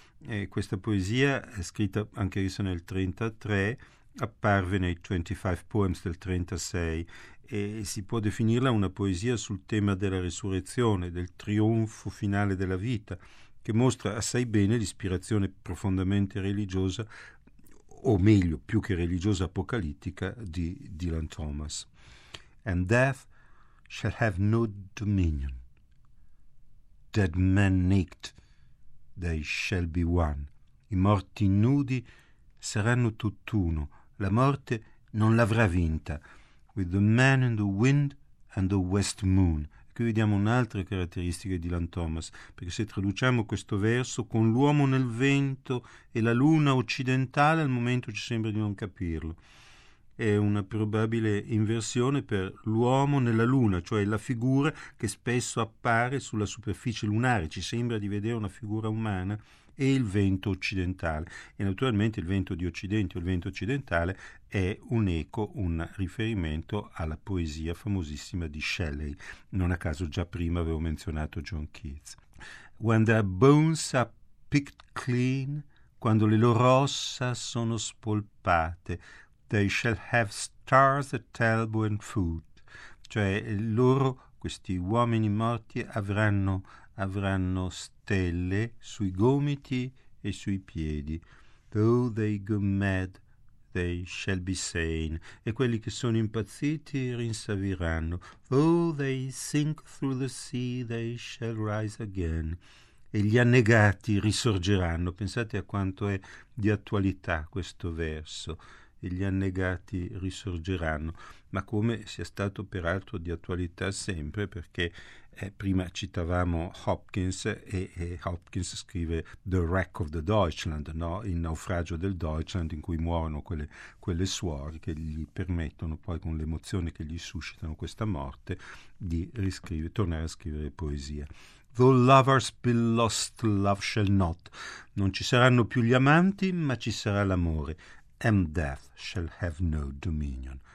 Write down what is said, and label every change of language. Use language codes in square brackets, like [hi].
[it] E questa poesia è scritta anche essa nel 33, apparve nei 25 poems del 36, e si può definirla una poesia sul tema della resurrezione, del trionfo finale della vita, che mostra assai bene l'ispirazione profondamente religiosa, o meglio, più che religiosa, apocalittica di Dylan Thomas. [en] And death shall have no dominion. Dead men naked, they shall be one. [it] I morti nudi saranno tutt'uno. La morte non l'avrà vinta. [en] With the man and the wind and the west moon. [it] Qui vediamo un'altra caratteristica di Dylan Thomas, perché se traduciamo questo verso con l'uomo nel vento e la luna occidentale, al momento ci sembra di non capirlo. È una probabile inversione per l'uomo nella luna, cioè la figura che spesso appare sulla superficie lunare, ci sembra di vedere una figura umana, e il vento occidentale. E naturalmente il vento di occidente o il vento occidentale è un eco, un riferimento alla poesia famosissima di Shelley. Non a caso già prima avevo menzionato John Keats. [en] When their bones are picked clean, [it] quando le loro ossa sono spolpate, [en] they shall have stars at elbow and foot. [it] Cioè loro, questi uomini morti, avranno stelle sui gomiti e sui piedi. [en] Though they go mad, they shall be sane, [it] e quelli che sono impazziti rinsaviranno. [en] Though they sink through the sea, they shall rise again. [it] E gli annegati risorgeranno. Pensate a quanto è di attualità questo verso. E gli annegati risorgeranno. Ma come sia stato peraltro di attualità sempre, perché prima citavamo Hopkins e Hopkins scrive The Wreck of the Deutschland, no? Il naufragio del Deutschland, in cui muoiono quelle suore che gli permettono, poi con l'emozione che gli suscitano questa morte, di tornare a scrivere poesia. [en] Though lovers be lost, love shall not. [it] Non ci saranno più gli amanti, ma ci sarà l'amore. [en] And death shall have no dominion.